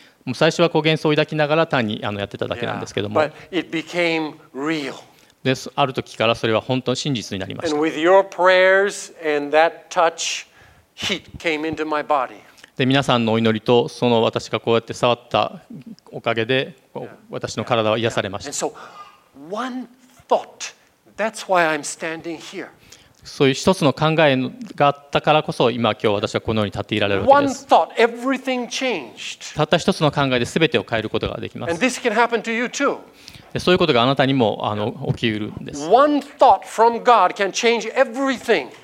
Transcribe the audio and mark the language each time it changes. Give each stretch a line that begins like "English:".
Japanese: もう最初はこう幻想を抱きながら単にやってただけなんですけども。
English: But it became real.
Japanese: である時からそれは本当に真実になりました。
English: And with your prayers and that touch, heat came into my body.
Japanese: で皆さんのお祈りとその私がこうやって触ったおかげで私の体は癒されました。
English: And so one thought, that's why I'm standing here.
Japanese: そういう一つの考えがあったからこそ今今日私はこのように立っていられるわけです。
English: One thought, everything changed.
Japanese: たった一つの考えで全てを変えることができます。
English: And this can happen to you too.
Japanese: そういうことがあなたにも起きうるんです。
English: One thought from God can change everything.